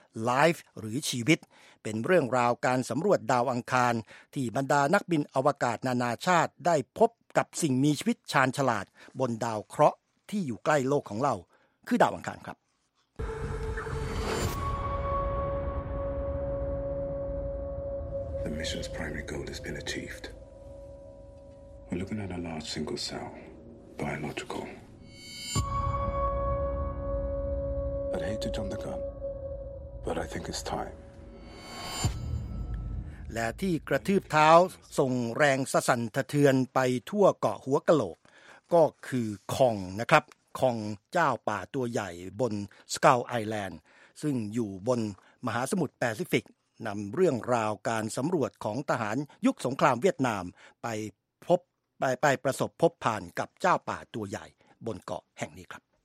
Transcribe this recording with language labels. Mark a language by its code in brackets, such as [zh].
[th] Life หรือชีวิตเป็นเรื่องราวการสำรวจดาวอังคารที่บรรดานักบินอวกาศนานาชาติได้พบกับสิ่งมีชีวิตชาญฉลาดบนดาวเคราะห์ที่อยู่ใกล้โลกของเราคือดาวอังคารครับ [en] The mission's primary goal has been achieved. We're looking at a large single cell, biological. I'd hate to jump the gun, but I think it's time [th] และที่กระทืบเท้าส่งแรงสะสั่นสะเทือนไปทั่วเกาะหัวกะโหลกก็คือคองนะครับคองเจ้าป่าตัวใหญ่บนสกาวไอแลนด์ซึ่งอยู่บนมหาสมุทรแปซิฟิกนำเรื่องราวการสำรวจของทหารยุคสงครามเวียดนามไปประสบพบผ่านกับเจ้าป่าตัวใหญ่บนเกาะแห่งนี้ครับ